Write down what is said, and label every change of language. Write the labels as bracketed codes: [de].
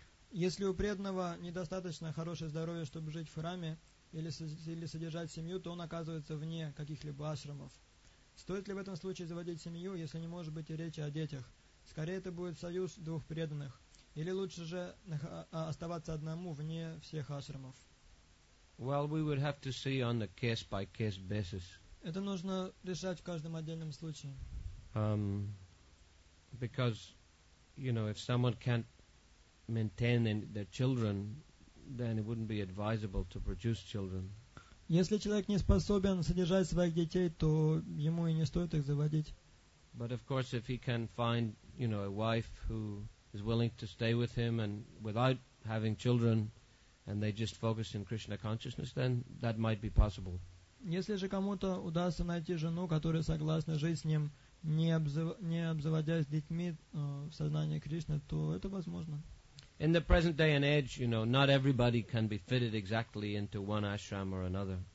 [ru] Если у преданного недостаточно хорошее здоровье, чтобы жить в храме или содержать семью, то он оказывается вне каких-либо ашрамов. Стоит ли в этом случае заводить семью, если не может быть и речи о детях? Скорее, это будет союз двух преданных. Или лучше же оставаться одному вне всех ашрамов? [en] Well, we would have to see on a case-by-case basis. [ru] Это нужно решать в каждом отдельном случае. [en] Because, you know, if someone can't maintain their children, then it wouldn't be advisable to produce children. [ru] Если человек не способен содержать своих детей, то ему и не стоит их заводить. [en] But of course, if he can find, you know, a wife who is willing to stay with him and without having children, and they just focus in Krishna consciousness, then that might be possible. [ru] Если же кому-то удастся найти жену, которая согласна жить с ним, не обзаводясь детьми в сознании Кришны, то это возможно. [en] In the present day and age, you know, not everybody can be fitted exactly into one ashram or another.